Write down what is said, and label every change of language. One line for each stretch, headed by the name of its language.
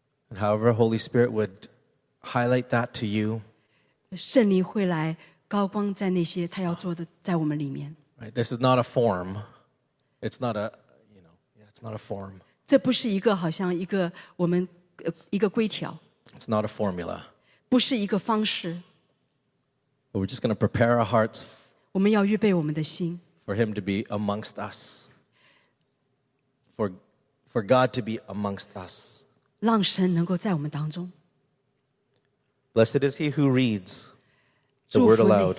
English: And however Holy Spirit would highlight that to you.
Chinese: 圣灵会来高光在那些他要做的在我们里面。
English: Right, this is not a form. It's not a, you know, yeah, it's not a form.
Chinese: 这不是一个好像一个我们一个规条。
English: It's not a formula.
Chinese: 不是一个方式。
English: But we're just going to prepare our hearts
Chinese: 我们要预备我们的心
English: for him to be amongst us. For God to be amongst us.
Chinese: 让神能够在我们当中。
English: Blessed is he who reads the word aloud.